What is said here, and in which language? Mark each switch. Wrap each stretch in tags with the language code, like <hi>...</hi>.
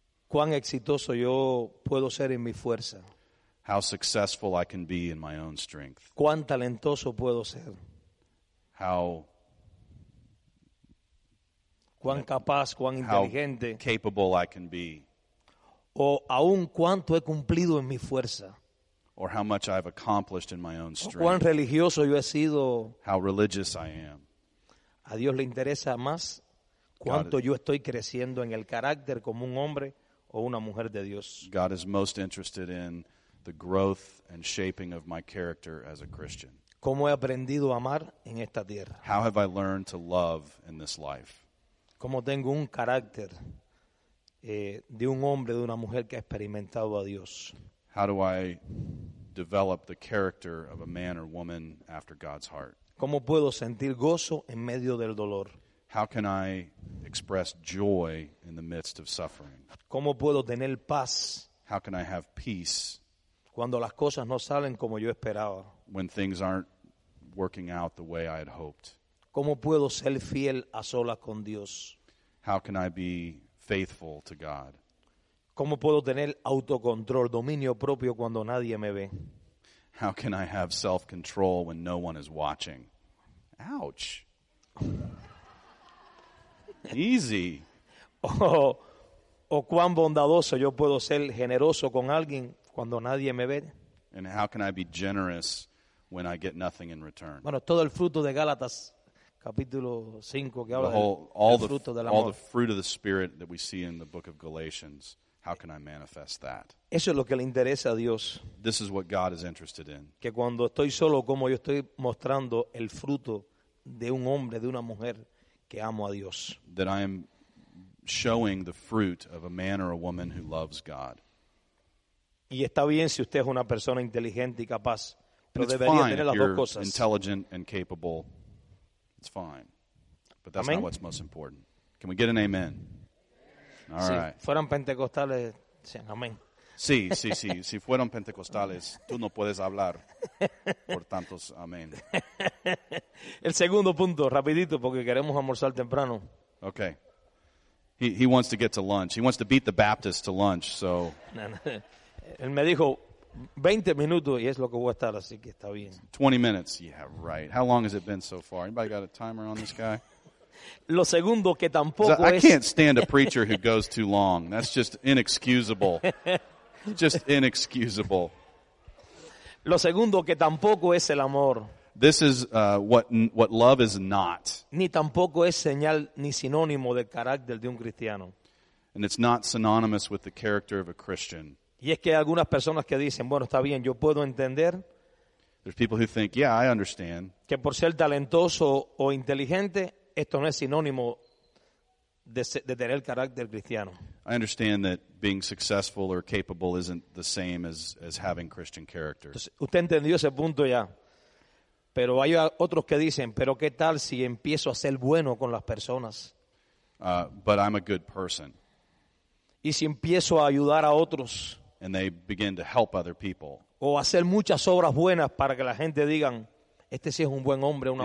<es>¿Cuán exitoso yo puedo ser en mi fuerza?</es> <en>How successful I can be in my own strength.</en> <es>¿Cuán talentoso puedo ser? Cuán capaz, cuán inteligente.</es> <en>How capable I can be.</en> <es>O aún cuánto he cumplido en mi fuerza.</es> <en>Or how much I've accomplished in my own strength.</en> <es>O cuán religioso yo he sido.</es> <en>How religious I am.</en> <es>A Dios le interesa más cuánto yo estoy creciendo en el carácter como un hombre o una mujer de Dios.</es> <en>God is most interested in the growth and shaping of my character as a Christian.</en> <es>¿Cómo he aprendido a amar en esta tierra?</es> <en>How have I learned to love in this life?</en> <es>Cómo tengo un carácter de un hombre, de una mujer que ha experimentado a Dios.</es> <en>How do I develop the character of a man or woman after God's heart?</en> <es>Cómo puedo sentir gozo en medio del dolor.</es> <en>How can I express joy in the midst of suffering?</en> <es>Cómo puedo tener paz.</es> <en>How can I have peace?</en> <es>Cuando las cosas no salen como yo esperaba.</es> <en>When things aren't working out the way I had hoped.</en> <es>¿Cómo puedo ser fiel a solas con Dios?</es> <en>How can I be faithful to God?</en> <es>¿Cómo puedo tener autocontrol, dominio propio cuando nadie me ve?</es> <en>How can I have self-control when no one is watching? Ouch. Easy.</en> <es>O cuán bondadoso yo puedo ser generoso con alguien cuando nadie me ve.</es> <en>And how can I be generous when I get nothing in return?</en> <es>Bueno, todo el fruto de Gálatas capítulo 5 que habla del fruto del amor.</es> <en>All the fruit of the Spirit that we see in the book of Galatians, how can I manifest that?</en> <es>Eso es lo que le interesa a Dios.</es> <en>This is what God is interested in.</en> <es>Que cuando estoy solo, como yo estoy mostrando el fruto de un hombre, de una mujer que amo a Dios.</es> <en>That I am showing the fruit of a man or a woman who loves God.</en> <es>Y está bien si usted es una persona inteligente y capaz, pero debería tener las dos cosas.</es> <en>Intelligent and capable. It's fine, but that's not what's most important. Can we get an amen? All right.</en> <es>Si fueran pentecostales, sean amén. Sí, sí, sí. Si fueran pentecostales, tú no puedes hablar por tantos amén. El segundo punto, rapidito, porque queremos almorzar temprano.</es> <en>Okay. He wants to get to lunch. He wants to beat the Baptist to lunch, so.</en> <es>Él me dijo 20 minutos y es lo que voy a estar, así que está bien.</es> <en>20 minutes, yeah, right. How long has it been so far? Anybody got a timer on this guy?</en> <es>Lo segundo que tampoco es...</es> <en>I can't stand a preacher who goes too long. That's just inexcusable. Just inexcusable.</en> <es>Lo segundo que tampoco es el amor.</es> <en>This is what love is not.</en> <es>Ni tampoco es señal ni sinónimo del carácter de un cristiano.</es> <en>And it's not synonymous with the character of a Christian.</en> <es>Y es que hay algunas personas que dicen, bueno, está bien, yo puedo entender.</es> <en>There's people who think, yeah, I understand.</en> <es>Que por ser talentoso o inteligente, esto no es sinónimo de tener el carácter cristiano.</es> <en>I understand that being successful or capable isn't the same as having Christian character.</en> <es>Entonces, usted entendió ese punto ya. Pero hay otros que dicen, pero ¿qué tal si empiezo a ser bueno con las personas?</es> <en>But I'm a good person.</en> <es>Y si empiezo a ayudar a otros.</es> <en>And they begin to help other people.</en> <es>O hacer muchas obras buenas para que la gente digan, este sí es un buen hombre, una</es>